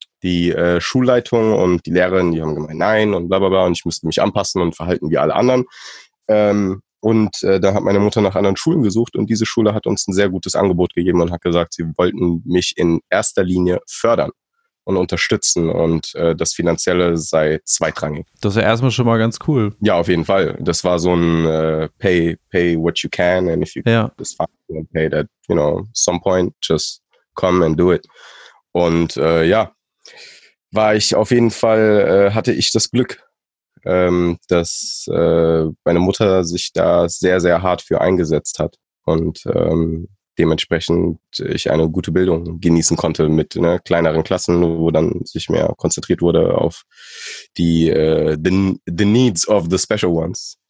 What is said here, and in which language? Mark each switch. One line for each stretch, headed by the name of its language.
German: Die Schulleitung und die Lehrerin, die haben gemeint, nein und bla bla bla und ich müsste mich anpassen und verhalten wie alle anderen. Da hat meine Mutter nach anderen Schulen gesucht und diese Schule hat uns ein sehr gutes Angebot gegeben und hat gesagt, sie wollten mich in erster Linie fördern und unterstützen und das Finanzielle sei zweitrangig. Das ist ja erstmal schon mal ganz cool. Ja, auf jeden Fall.
English: Das war so ein pay what you can and if you can, it's fine and pay that, you know, some point, just come and do it.
German: Und war ich auf jeden Fall, hatte ich das Glück, dass meine Mutter sich da sehr, sehr hart für eingesetzt hat und dementsprechend ich eine gute Bildung genießen konnte mit kleineren Klassen, wo dann sich mehr konzentriert wurde auf die the needs of the special ones.